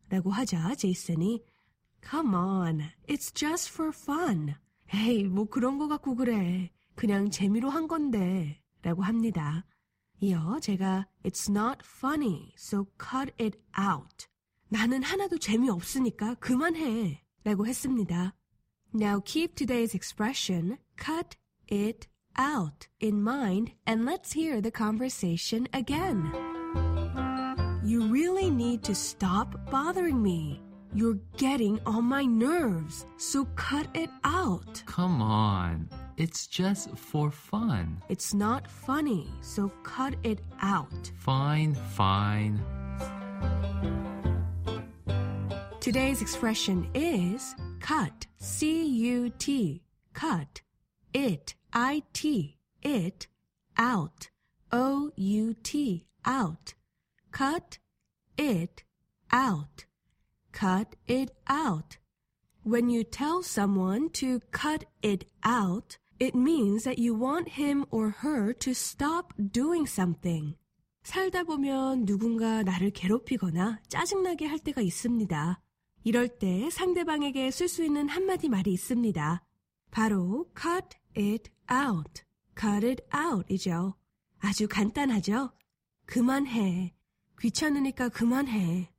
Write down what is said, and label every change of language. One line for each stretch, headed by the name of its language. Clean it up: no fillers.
Korean: 라고 하자 제이슨이
English: Come on, it's just for fun.
Korean: 에이, 뭐 그런 거 갖고 그래. 그냥 재미로 한 건데 라고 합니다. 이어 제가
English: It's not funny, so cut it out.
Korean: 나는 하나도 재미없으니까 그만해 라고 했습니다.
English: Now keep today's expression, cut it out, in mind, and let's hear the conversation again. You really need to stop bothering me. You're getting on my nerves, so cut it out. Come on, it's just for fun. It's not funny, so cut it out. Fine, fine. Today's expression is cut, C-U-T, cut, it, I-T, it, out, O-U-T, out, cut, it, out, cut it out. When you tell someone to cut it out, it means that you want him or her to stop doing something.
Korean: 살다 보면 누군가 나를 괴롭히거나 짜증나게 할 때가 있습니다. 이럴 때 상대방에게 쓸 수 있는 한마디 말이 있습니다. 바로
English: cut it out.
Korean: cut it out이죠. 아주 간단하죠? 그만해. 귀찮으니까 그만해.